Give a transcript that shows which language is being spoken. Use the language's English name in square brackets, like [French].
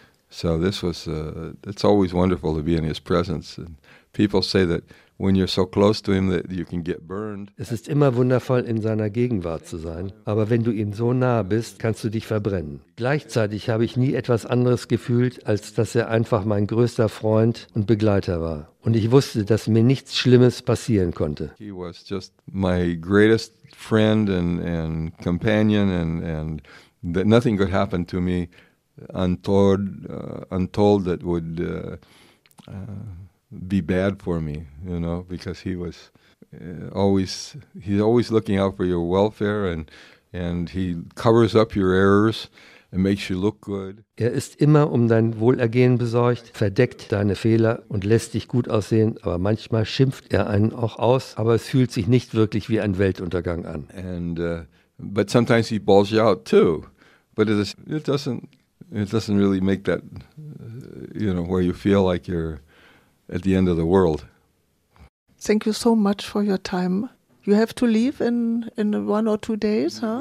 [English] So this was, it's always wonderful to be in his presence. And people say that when you're so close to him that you can get burned. [German] Es ist immer wundervoll, in seiner Gegenwart zu sein, aber wenn du ihm so nahe bist, kannst du dich verbrennen. Gleichzeitig habe ich nie etwas anderes gefühlt, als dass er einfach mein größter Freund und Begleiter war. Und ich wusste, dass mir nichts Schlimmes passieren konnte. [English] He was just my greatest friend and companion and that nothing could happen to me untold that would be bad for me, you know, because he was always looking out for your welfare and he covers up your errors and makes you look good. [German] Er ist immer um dein Wohlergehen besorgt, verdeckt deine Fehler und lässt dich gut aussehen, aber manchmal schimpft er einen auch aus, aber es fühlt sich nicht wirklich wie ein Weltuntergang an. [English] But sometimes he balls you out too, but it doesn't really make that, you know, where you feel like you're at the end of the world. Thank you so much for your time. You have to leave in 1 or 2 days, huh?